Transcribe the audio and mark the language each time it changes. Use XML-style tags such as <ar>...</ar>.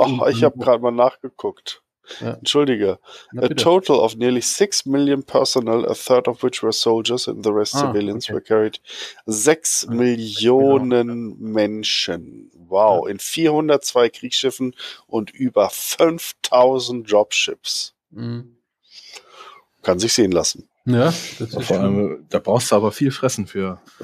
<de>Ich habe gerade mal nachgeguckt. Ja. Entschuldige.</de> <en>A total of nearly 6 million personnel, a third of which were soldiers and the rest civilians were carried.</en> <de>6 Millionen Menschen. Wow. Ja. In 402 Kriegsschiffen und über 5000 Dropships. Kann sich sehen lassen. Ja, das ist vor allem, da brauchst du aber viel Fressen für.</de>